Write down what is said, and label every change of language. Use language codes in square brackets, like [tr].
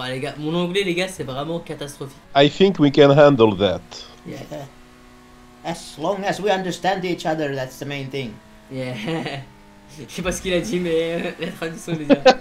[fr] Ouais, les gars, mon anglais, les gars, c'est vraiment catastrophique. [en] I think we can handle that. Yeah. As long as we understand each other, that's the main thing. Yeah. [fr] Je sais pas ce qu'il a dit, mais la traduction, déjà.